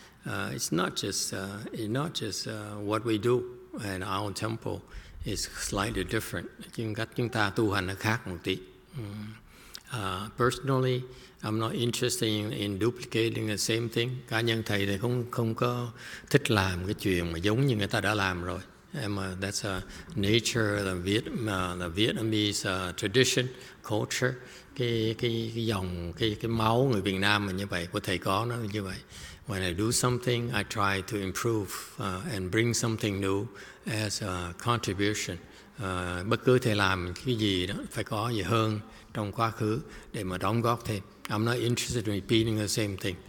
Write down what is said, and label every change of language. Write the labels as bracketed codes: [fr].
[en] It's not just what we do in our temple. is slightly different. [vi] Chúng ta tu hành nó khác một tí. [en] Personally, I'm not interested in duplicating the same thing. [vi] Cá nhân thầy thì không có thích làm cái chuyện mà giống như người ta đã làm rồi. [en] That's a nature, the Vietnamese tradition, culture. [vi] Cái máu người Việt Nam mà như vậy, của thầy có nó như vậy. [en] When I do something, I try to improve and bring something new as a contribution. [vi] Bất cứ thầy làm cái gì đó, phải có gì hơn trong quá khứ để mà đóng góp thêm. [en] I'm not interested in repeating the same thing.